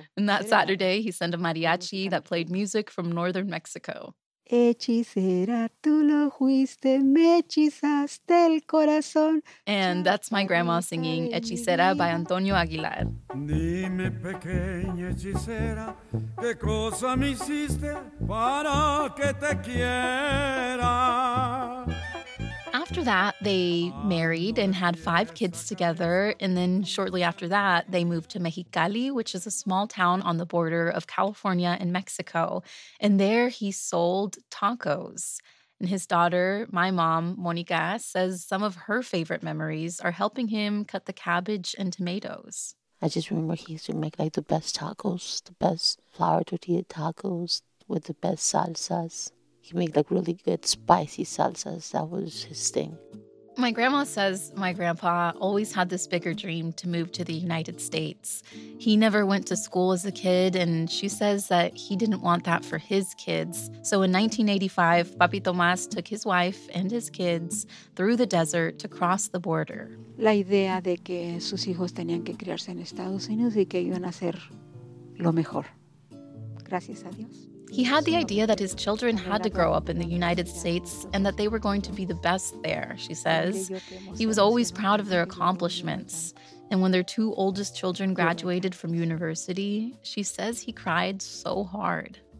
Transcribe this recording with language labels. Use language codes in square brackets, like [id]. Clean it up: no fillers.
[en] And that Saturday, he sent a mariachi that played music from northern Mexico. [es] Hechicera, tú lo fuiste, me hechizaste el corazón. [en] And that's my grandma singing Hechicera by Antonio Aguilar. [es] Dime, pequeña hechicera, qué cosa me hiciste para que te quiera. [en] After that, they married and had 5 kids together, and then shortly after that, they moved to Mexicali, which is a small town on the border of California and Mexico, and there he sold tacos. And his daughter, my mom, Monica, says some of her favorite memories are helping him cut the cabbage and tomatoes. I just remember he used to make, like, the best tacos, the best flour tortilla tacos with the best salsas. He made, like, really good spicy salsas. That was his thing. My grandma says my grandpa always had this bigger dream to move to the United States. He never went to school as a kid, and she says that he didn't want that for his kids. So in 1985, Papi Tomas took his wife and his kids through the desert to cross the border. [es] La idea de que sus hijos tenían que criarse en Estados Unidos y que iban a hacer lo mejor. Gracias a Dios. [en] He had the idea that his children had to grow up in the United States and that they were going to be the best there, she says. He was always proud of their accomplishments. And when their 2 oldest children graduated from university, she says he cried so hard.